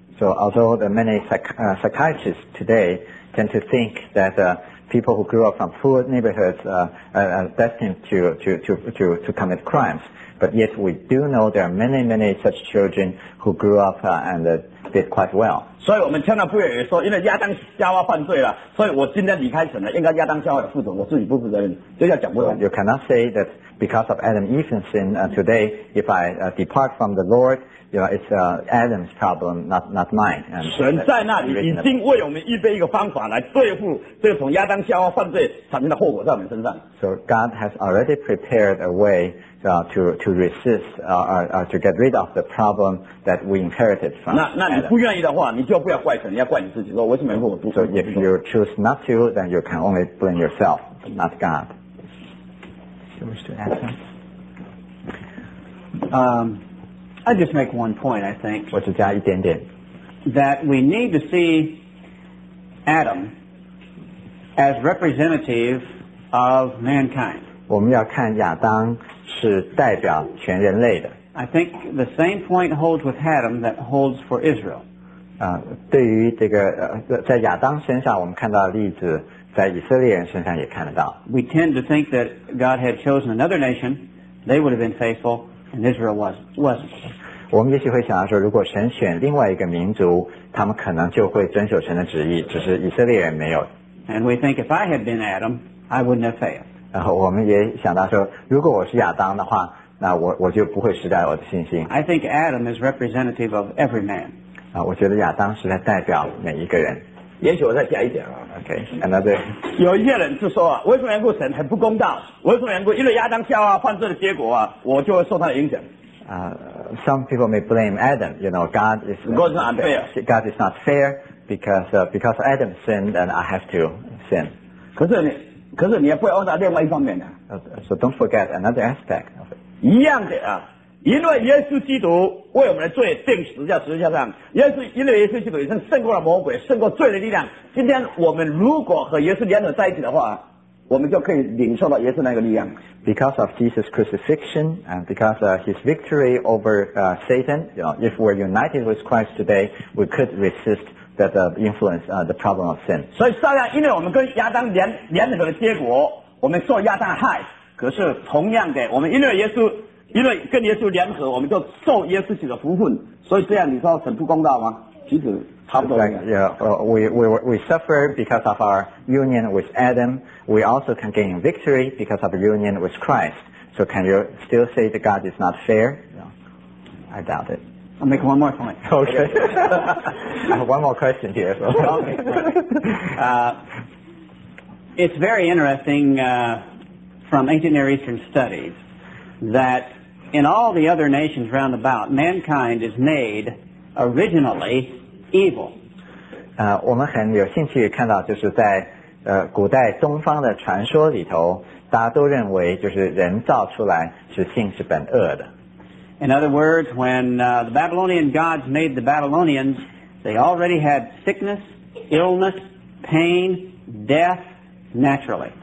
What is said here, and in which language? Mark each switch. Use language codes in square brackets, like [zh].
[en] So although the many psychiatrists today tend to think that people who grew up from poor neighborhoods are destined to commit crimes. But yet we do know there are many, many such children who grew up and did quite well. [zh] 所以我们千万不要以为说，因为亚当夏娃犯罪了，所以我今天离开神了，应该亚当夏娃负责，我自己不负责任，这叫讲不通。 [en] You cannot say that because of Adam and Eve's sin today, if I depart from the Lord, you know, it's Adam's problem, not mine. [zh] And 神在那里已经为我们预备一个方法来对付这个从亚当夏娃犯罪产生的后果在我们身上。 [en] So God has already prepared a way. To resist or to get rid of the problem that we inherited from. [zh] 那你不愿意的话，你就不要怪神，你要怪你自己。说为什么我不 [en] So if you choose not to, then you can only blame yourself, not God. You wish to add something? I just make one point. I think. [zh] 我只加一点点 [en] That we need to see Adam as representative of mankind. [zh] 我们要看亚当是代表全人类的。 [en] I think the same point holds with Adam that holds for Israel. [zh] 对于这个在亚当身上我们看到的例子在以色列人身上也看得到。 [en] We tend to think that God had chosen another nation, they would have been faithful, and Israel wasn't. [zh] 我们也许会想到说如果神选另外一个民族他们可能就会遵守神的旨意只是以色列人没有。 [en] And we think if I had been Adam, I wouldn't have failed. [zh] 然后我们也想到说如果我是亚当的话那 我就不会失掉我的信心。 [en] I think Adam is representative of every man. [zh] 我觉得亚当是在代表每一个人。也许我再加一点啊，OK， 看到对。有一些人就说，为什么缘故神很不公道？为什么缘故？因为亚当夏娃犯罪的结果啊，我就会受他的影响。 [en] Some people may blame Adam. You know, God is not fair. God is not fair because Adam sinned and I have to sin. [zh] 可是你也不要忘掉另外一方面呢、啊。 [en] So don't forget another aspect. [zh] 一样的啊。因为耶稣基督为我们的罪定死在十字架上，因为耶稣基督已经胜过了魔鬼，胜过罪的力量。今天我们如果和耶稣联合在一起的话，我们就可以领受到耶稣那个力量。 [en] Because of Jesus' crucifixion and because of his victory over Satan, you know, if we're united with Christ today, we could resist that influence, the problem of sin. [zh] 所以照样，因为我们跟亚当联合的结果，我们受亚当的害。可是同样的，我们因为跟耶稣联合，我们就受耶稣基督的福分，所以这样你说很不公道吗？其实差不多。 [en] We suffer because of our union with Adam. We also can gain victory because of union with Christ. So can you still say that God is not fair? No, I doubt it. I'll make one more point. Okay. I have one more question here. So. Okay. It's very interesting from ancient Near Eastern studies that. In all the other nations round about, mankind is made originally evil. [zh] 我们很有兴趣看到，就是在古代东方的传说里头，大家都认为就是人造出来是性是本恶的。 [en] In other words, when the Babylonian gods made the Babylonians, they already had sickness, illness, pain, death naturally.